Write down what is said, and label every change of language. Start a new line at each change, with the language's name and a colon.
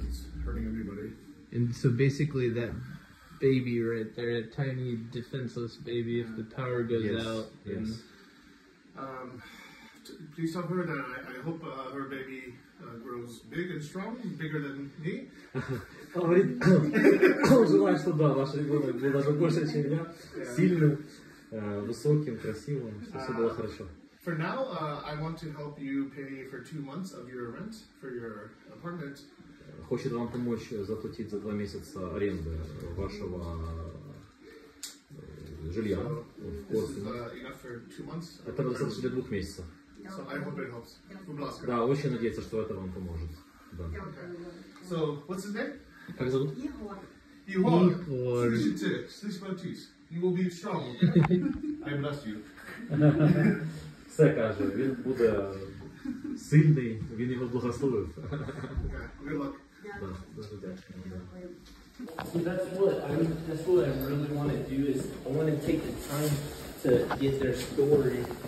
English: It's hurting everybody. And so basically that baby right there, that tiny defenseless baby, if the power goes yes, out. Yes. And... please tell her that I hope her baby grows big and strong, bigger than me.
Russian: Желаю, чтобы да, ваш ребенок был даже больше, чем меня, сильным, высоким, красивым, чтобы все было хорошо.
English: For now, I want to help you pay for 2 months of your rent for your apartment.
Russian: Хочет вам помочь заплатить за 2 месяца аренды вашего жилья в Корсуне.
English: Enough for 2 months.
Russian: Это достаточно для 2 месяцев.
English: So I hope it helps. Yeah.
Russian: Да, очень надеюсь, что это вам поможет. Да.
English: Yeah, okay. So, what's his name?
Russian: Как зовут?
English: Ihor. Ihor. Ihor. You will be strong. I bless you.
Ukrainian: Все каже, він буде сильний, він його благословив.
English: See, that's what I mean, that's what I really want to do is I want to take the time to get their story